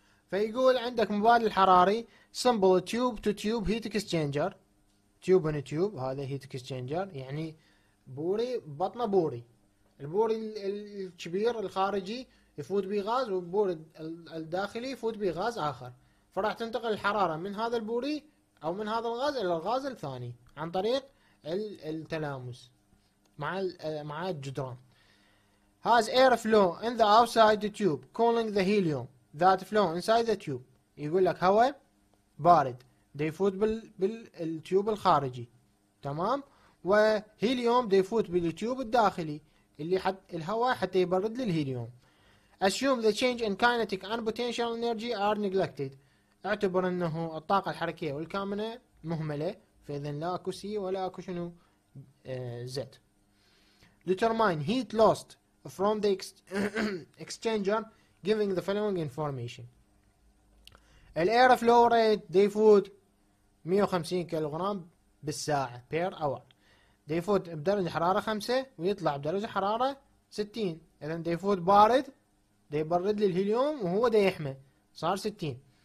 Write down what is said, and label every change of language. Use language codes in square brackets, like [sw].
[ar] فيقول عندك مبادل حراري [en] simple tube to tube heat exchanger، tube and tube، [ar] هذا heat exchanger، يعني بوري بطنة بوري، البوري الكبير الخارجي يفوت به غاز والبوري الداخلي يفوت به غاز آخر، فراح تنتقل الحرارة من هذا البوري أو من هذا الغاز إلى الغاز الثاني عن طريق التلامس مع الجدران. [en] Has air flow in the outside tube cooling the helium that flow inside the tube. [ar] يقول لك هواء بارد دي يفوت بالتيوب الخارجي، تمام، وهيليوم دي يفوت بالتيوب الداخلي اللي حت الهواء حتى يبرد للهيليوم. [en] Assume the change in kinetic and potential energy are neglected. [ar] اعتبر انه الطاقة الحركية والكامنة مهملة، فإذا لا اكو سي ولا اكو شنو زد. [en] Determine heat lost from the exchanger giving the following information. [ar] الاير فلو ريت ديفوت 150 كيلوغرام بالساعة بير اور، ديفوت بدرجة حرارة 5 ويطلع بدرجة حرارة 60، اذا ديفوت بارد ديبرد للهيليوم وهو ديحمي صار 60.